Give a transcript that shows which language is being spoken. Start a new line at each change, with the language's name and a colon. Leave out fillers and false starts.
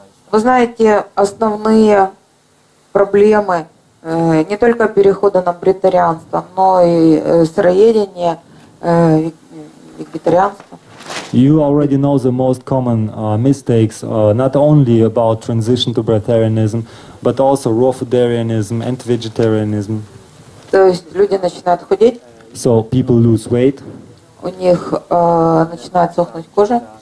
Russian: Вы знаете, основные проблемы не только перехода на вегетарианство, но и сыроедение, вегетарианство.
English: You already know the most common mistakes, not only about transition to breatharianism, but also raw foodarianism and vegetarianism.
Russian: То есть люди начинают худеть.
English: So people lose weight.
Russian: У них начинает сохнуть кожа.